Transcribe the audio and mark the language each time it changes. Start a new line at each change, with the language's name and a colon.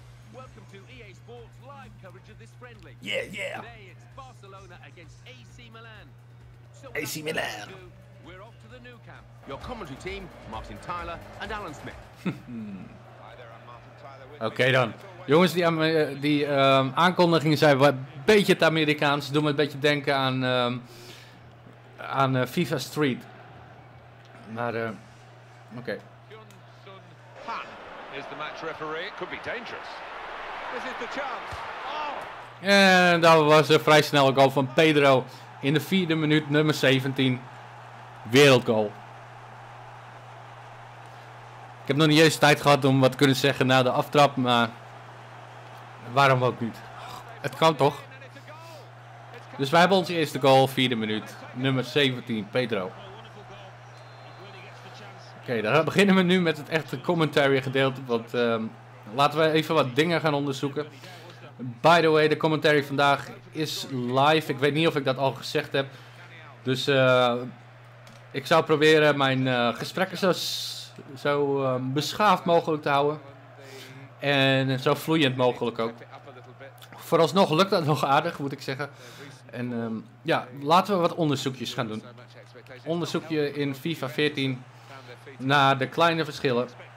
English: Welcome to EA Sports live coverage of this friendly. Yeah, yeah. Today it's Barcelona against AC Milan. AC Milan. We're off to the new camp. Your commentary team, Martin Tyler and Alan Smith.
Dutch: Oké dan. Jongens, die aankondigingen zijn wel een beetje het Amerikaans. Doen me een beetje denken aan, FIFA Street. Maar, oké.
English: Hyun-Sun Han is the match referee. Could be dangerous. This is the chance. Oh.
Dutch: En dat was een vrij snelle goal van Pedro. In de vierde minuut, nummer 17. Wereldgoal. Ik heb nog niet eens tijd gehad om wat te kunnen zeggen na de aftrap, maar waarom ook niet? Het kan toch? Dus wij hebben onze eerste goal, vierde minuut, nummer 17, Pedro. Oké, dan beginnen we nu met het echte commentary gedeelte, want laten we even wat dingen gaan onderzoeken.
English: By the way,
Dutch: de commentary vandaag is live. Ik weet niet of ik dat al gezegd heb. Dus ik zou proberen mijn gesprekken zo beschaafd mogelijk te houden. En zo vloeiend mogelijk ook. Vooralsnog lukt dat nog aardig, moet ik zeggen. En laten we wat onderzoekjes gaan doen. Onderzoekje in FIFA 14 naar de kleine verschillen.